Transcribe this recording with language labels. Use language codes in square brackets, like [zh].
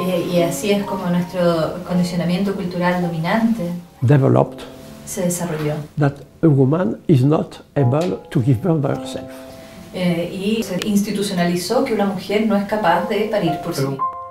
[es] Y así es como nuestro condicionamiento cultural dominante [en] developed. [es] Se desarrolló. [en] That a woman is not able to give birth by herself. [es] Y se institucionalizó que una mujer no es capaz de parir por sí misma.